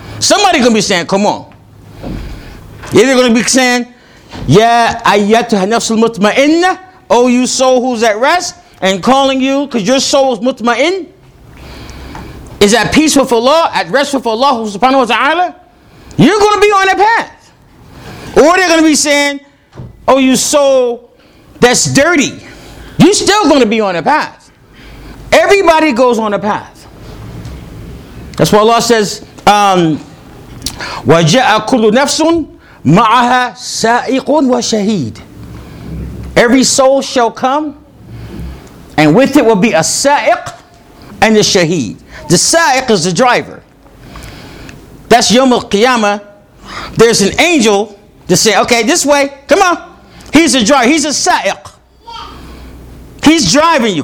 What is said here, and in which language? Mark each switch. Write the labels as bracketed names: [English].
[English] Somebody's going to be saying, come on. Either going to be saying, Ya ayyatuha nafs al-mutma'inna, O you soul who's at rest, and calling you, because your soul is mutma'in, is at peace with Allah, at rest with Allah subhanahu wa ta'ala, you're going to be on a path. Or they're going to be saying, oh, you soul that's dirty. You're still going to be on a path. Everybody goes on a path. That's why Allah says, [Arabic] وَجَاءَ كُلُّ نَفْسٌ مَعَهَا سَائِقٌ وَشَهِيدٌ. [English] Every soul shall come, and with it will be a sa'iq and a shaheed. The sa'iq is the driver. That's Yawm al-Qiyamah. There's an angel to say, okay, this way, come on. He's a driver, he's a sa'iq. He's driving you.